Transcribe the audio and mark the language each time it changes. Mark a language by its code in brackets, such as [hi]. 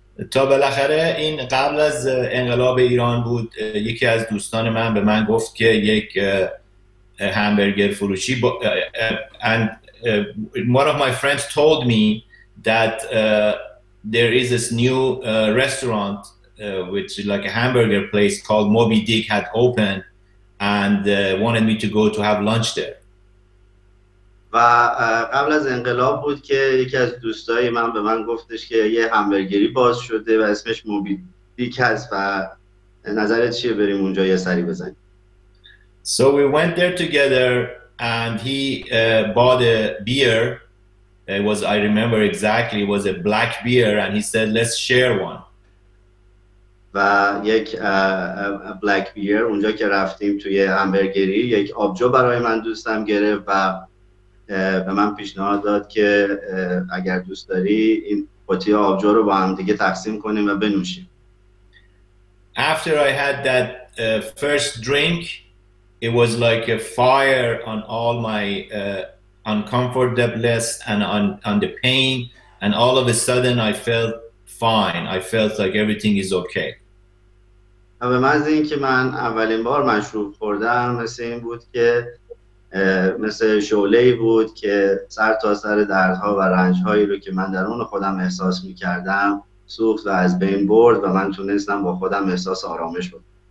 [fa] تا بالاخره این قبل از انقلاب ایران بود، یکی از دوستان من به من گفت که یک همبرگر فروشی [en] and one of my friends told me that there is this new restaurant which is like a hamburger place called Moby Dick had opened and wanted me to go to have lunch there. [fa] و قبل از انقلاب بود که یکی از دوستای من به من گفتش که یه همبرگری باز شده و اسمش موبی دیک هست و نظرت چیه بریم اونجا یه سری بزنیم. [en] So we went there together and he bought a beer. I remember exactly it was a black beer and he said let's share one. [fa] و یک [en] black beer [fa] اونجا که رفتیم توی همبرگری یک آبجو برای من دوستم گرفت و به من پیشنهاد داد که اگر دوست داری این قوطی آبجو رو با هم دیگه تقسیم کنیم و بنوشیم. [en] After I had that first drink, it was like a fire on all my uncomfortableness and on the pain, and all of a sudden I felt fine. I felt like everything is okay. [fa] و به محض اینکه من اولین بار مشروب خوردم مثل این بود که مثل شعله ای بود که سر تا سر دردها و رنج هایی رو که من درون خودم احساس می کردم سوخت و از بین برد و من تونستم با خودم احساس آرامش بود.